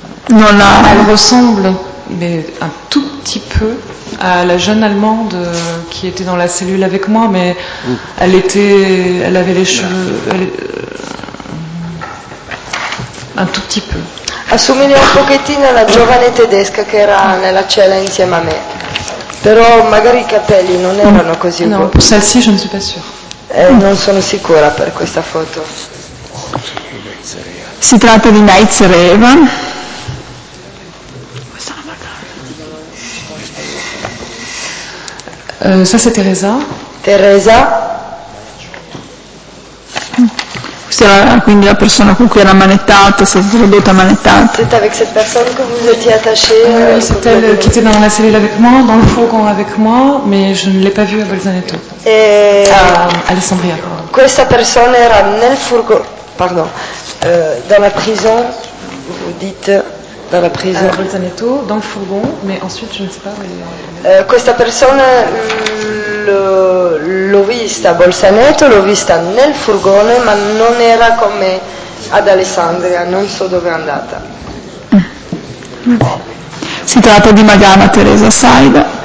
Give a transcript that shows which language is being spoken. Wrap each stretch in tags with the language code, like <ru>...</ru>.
<fr>Non, là, elle ressemble, mais un tout petit peu, à la jeune Allemande qui était dans la cellule avec moi, mais elle était, elle avait les cheveux, elle, un tout petit peu.</fr> <it>Assomiglia un pochettino alla giovane tedesca che era nella cella insieme a me, però magari i capelli non erano così uguali. No, per</it> <fr>celle-ci je ne suis pas sûre.</fr> <it>Non sono sicura per questa foto. Si tratta di Nightsereva.</it> <fr>Ça c'est Teresa. Teresa.</fr> <it>Questa era quindi la persona con cui era manettata, si è tradotta manettata.</it> <fr>C'est avec cette personne que vous étiez attachée. Oui, c'est elle qui était dans la cellule avec moi, dans le fourgon avec moi, mais je ne l'ai pas vue à Bolzaneto.</fr> <it>Alessandria. Questa persona era nel furgone,</it> <fr>pardon, dans la prison, vous dites. Dans la prison. À Bolzaneto, dans le fourgon, mais ensuite je ne sais pas. Mais...</fr> <it>Questa persona l'ho vista a Bolzaneto, l'ho vista nel furgone, ma non era con me ad Alessandria, non so dove è andata. Si tratta di Madame Teresa Saida.</it>